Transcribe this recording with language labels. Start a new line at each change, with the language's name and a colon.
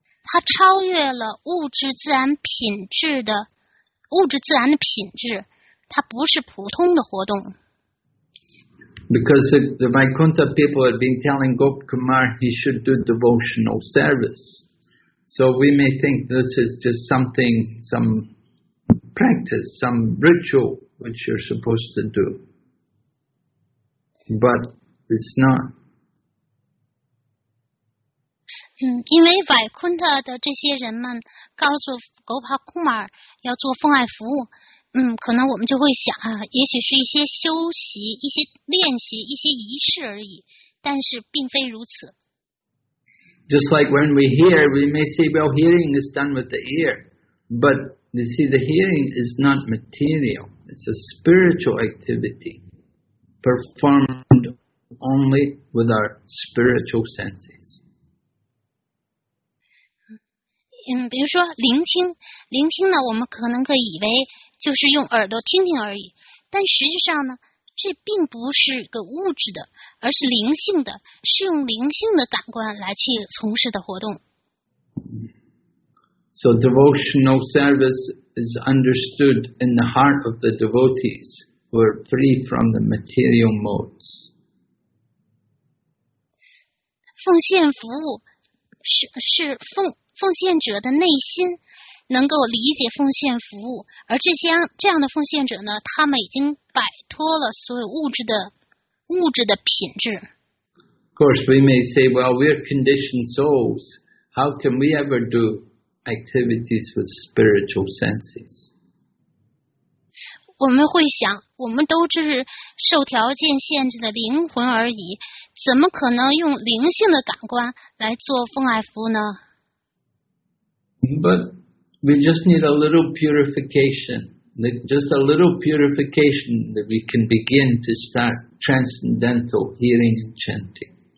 Chinese: 它超越了物质自然品质的物质自然的品质，它不是普通的活动。
English: Because the Vaikuntha people have been telling Gop Kumar he should do devotional service. So we may think this is just something, some practice, some ritual which you're supposed to do. But it's not.
Chinese: 因为 Vaikuntha 的这些人们告诉 Gop Kumar 要做奉爱服务。可能我们就会想啊，也许是一些修习、一些练习、一些仪式而已，但是并非如此。
English: Just like when we hear, we may say, well, hearing is done with the ear, but you see, the hearing is not material; it's a spiritual activity performed only with our spiritual senses.
Chinese: 比如说聆听，聆听呢，我们可能可以以为。就是用耳朵听听而已，但实际上呢，这并不是个物质的，而是灵性的，是用灵性的感官来去从事的活动。
English: So devotional service is understood in the heart of the devotees who are free from the material modes.
Chinese: 奉献服务是奉献者的内心。能够理解奉献服务，而这样的奉献者呢，他们已经摆脱了所有物质的品质。
English: Of course, we may say, "Well, we are conditioned souls. How can we ever do activities with spiritual senses?"
Chinese: 我们会想，我们都只是受条件限制的灵魂而已，怎么可能用灵性的感官来做奉爱服务呢
English: ？But We just need a little purification, just a little purification that we can begin to start transcendental hearing and chanting.